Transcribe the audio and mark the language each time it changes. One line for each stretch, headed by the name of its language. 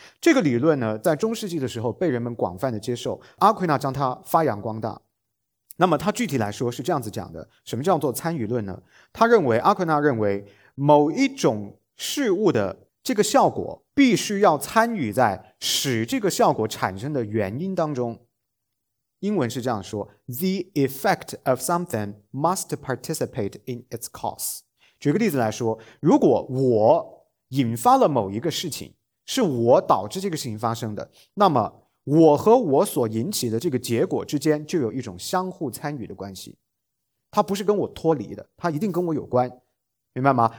Chinese: 这个理论呢，在中世纪的时候被人们广泛的接受，阿奎那将它发扬光大。那么他具体来说是这样子讲的，什么叫做参与论呢？他认为，阿奎那认为某一种事物的这个效果必须要参与在使这个效果产生的原因当中。英文是这样说，
English: The effect of something must participate in its cause。
Chinese: 举个例子来说，如果我引发了某一个事情，是我导致这个事情发生的，那么我和我所引起的这个结果之间就有一种相互参与的关系，它不是跟我脱离的，它一定跟我有关，明白吗？